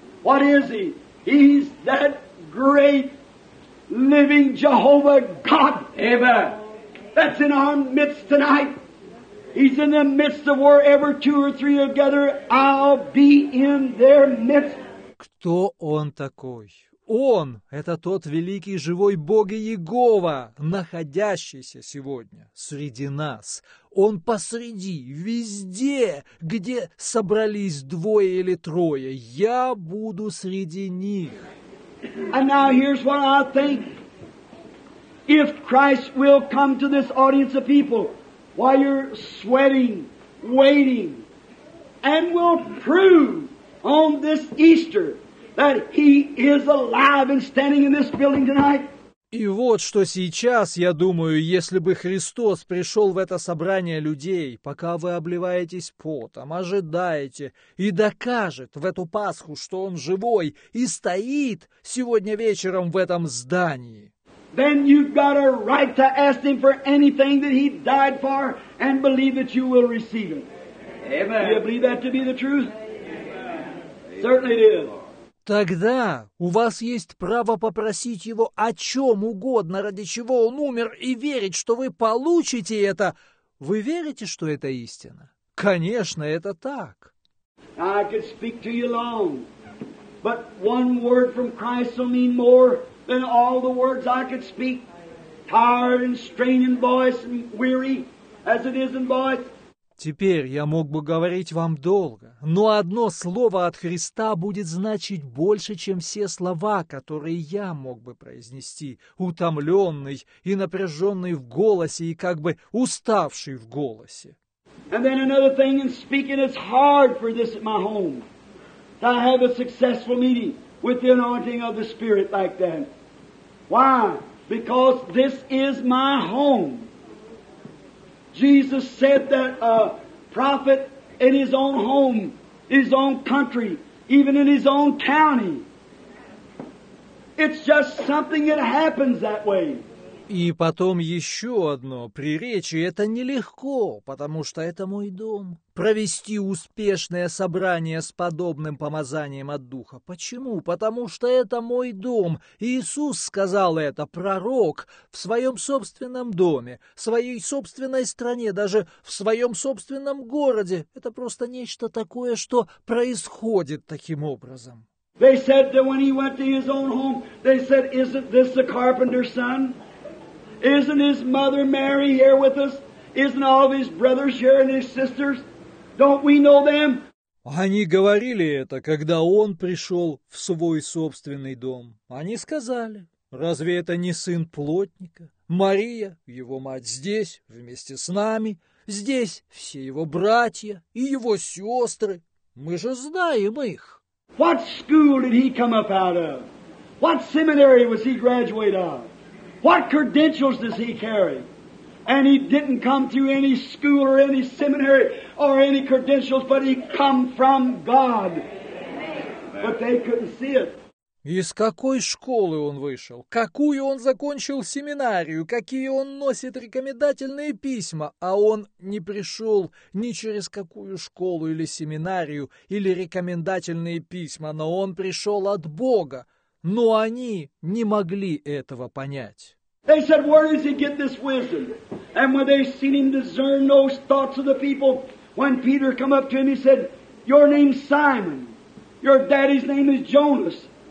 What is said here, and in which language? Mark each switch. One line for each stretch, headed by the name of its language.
English: What is he? He's that great living Jehovah God. Amen. That's in our midst tonight. He's in the midst of wherever two or three are gathered. I'll be in their midst.
Russian: Кто он такой? Он — это тот великий живой Бог Иегова, находящийся сегодня среди нас. Он посреди, везде, где собрались двое или трое. Я буду среди них.
English: And now here's what I think. If Christ will come to this audience of people, while you're sweating, waiting, and will prove on this Easter that He is alive and standing in this building tonight.
Russian: И вот что сейчас, я думаю, если бы Христос пришел в это собрание людей, пока вы обливаетесь потом, ожидаете, и докажет в эту Пасху, что Он живой и стоит сегодня вечером в этом здании.
English: Then you've got a right to ask Him for anything that He died for and believe that you will receive it. Amen. Do you believe that to be the truth? Amen. Certainly it is.
Russian: Тогда у вас есть право попросить Его о чем угодно, ради чего Он умер, и верить, что вы получите это. Вы верите, что это истина? Конечно, это так.
English: I could speak to you long, but one word from Christ will mean more than all the words I could speak, tired and straining voice and weary as it is in voice.
Russian: Теперь я мог бы говорить вам долго, но одно слово от Христа будет значить больше, чем все слова, которые я мог бы произнести, утомленный и напряженный в голосе и как бы уставший в голосе.
English: And then another thing in speaking, it's hard for this at my home to have a successful meeting with the anointing of the Spirit like that. Why? Because this is my home. Jesus said that a prophet in his own home, his own country, even in his own county. It's just something that happens that way.
Russian: И потом еще одно приречие. Это нелегко, потому что это мой дом. Провести успешное собрание с подобным помазанием от Духа. Почему? Потому что это мой дом. Иисус сказал это, пророк, в своем собственном доме, в своей собственной стране, даже в своем собственном городе. Это просто нечто такое, что происходит таким образом.
English: They said that when he went to his own home, they said, isn't this the carpenter's son? Isn't his mother Mary here with us? Isn't all of his brothers here and his sisters? Don't we know them?
Russian: Они говорили это, когда он пришел в свой собственный дом. Они сказали, разве это не сын плотника? Мария, его мать, здесь вместе с нами. Здесь все его братья и его сестры. Мы же знаем их.
English: What school did he come up out of? What seminary was he graduate of? What credentials does he carry? And he didn't come through any school or any seminary or any credentials, but he come from God. But they couldn't see it.
Russian: Из какой школы он вышел? Какую он закончил семинарию? Какие он носит рекомендательные письма? А он не пришел ни через какую школу или семинарию или рекомендательные письма, но он пришел от Бога. Но они не могли этого понять.
English: They said, where does he get this wisdom? And when they seen him discern those thoughts of the people, when Peter come up to him, he said, your name's Simon, your daddy's name is Jonas.